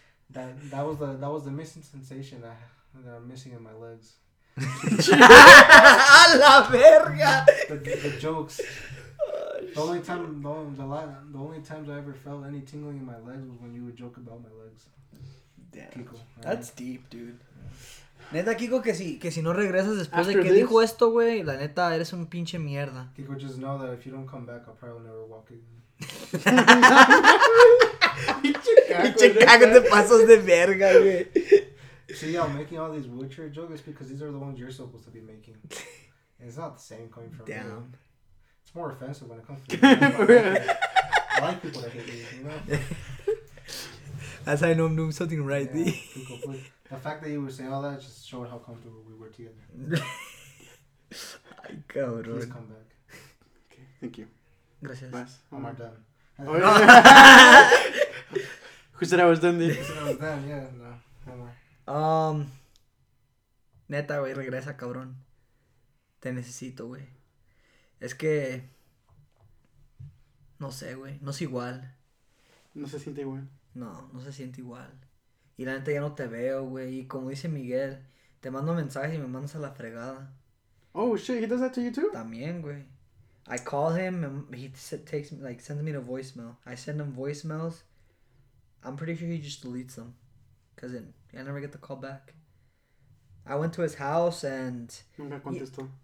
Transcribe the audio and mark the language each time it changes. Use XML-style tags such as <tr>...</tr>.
<en>That was the missing sensation that I'm missing in my legs.</en> <es>A la verga.</es> <en>The jokes. The only times I ever felt any tingling in my legs was when you would joke about my legs. Damn. Kiko, that's right? Deep, dude. Yeah.</en> <es>Neta, Kiko, que si no regresas después after de que this, dijo esto, güey, la neta eres un pinche mierda.</es> <en>Kiko, just know that if you don't come back, I'll probably never walk again.</en> <es>Pinche cago de pasos de verga, güey.</es> <en>See, y'all making all these wheelchair jokes because these are the ones you're supposed to be making. And it's not the same coming from damn. You. It's more offensive when it comes to you. I like people that hate me, you know? That's how I know I'm doing something right, yeah, dude. The fact that you were saying all that just showed how comfortable we were together.</en> <es>Ay, cabrón.</es> <en>Please come back. Okay, thank you.</en> <es>Gracias.</es> <en>Omar, done. Who said I was done, dude? Who said I was done, yeah, no.</en> <es>Neta, güey, regresa, cabrón. Te necesito, güey. Es que... No sé, güey, no es igual. No se siente igual. No se siente igual. Y la neta ya no te veo, güey. Y como dice Miguel, te mando mensajes y me mandas a la fregada.</es> <en>Oh, shit, he does that to you too?</en> <es>También, güey.</es> <en>I call him and he takes me, like, sends me a voicemail. I send him voicemails. I'm pretty sure he just deletes them. Because I never get the call back. I went to his house and...</en> <es>Nunca contestó.</es>